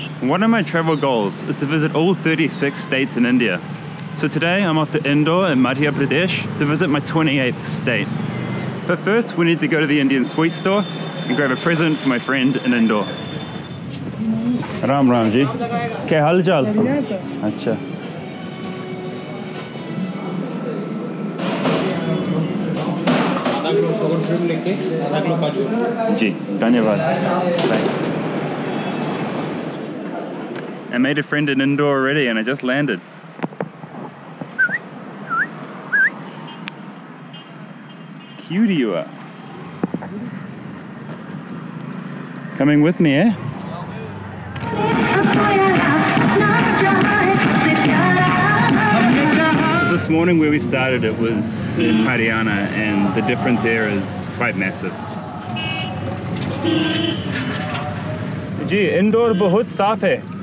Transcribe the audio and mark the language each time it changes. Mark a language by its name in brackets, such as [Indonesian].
[English] One of my travel goals is to visit all 36 states in India. So today I'm off to Indore in Madhya Pradesh to visit my 28th state. But first we need to go to the Indian sweet store and grab a present for my friend in Indore. [Hindi] Ram Ram ji. क्या हाल चाल? Acha. जी, धन्यवाद। [English] I made a friend in Indore already and I just landed. Cute you are. Coming with me, eh? So this morning where we started, it was in Haryana, and the difference here is quite massive. [Hindi] जी, इंदौर बहुत साफ है।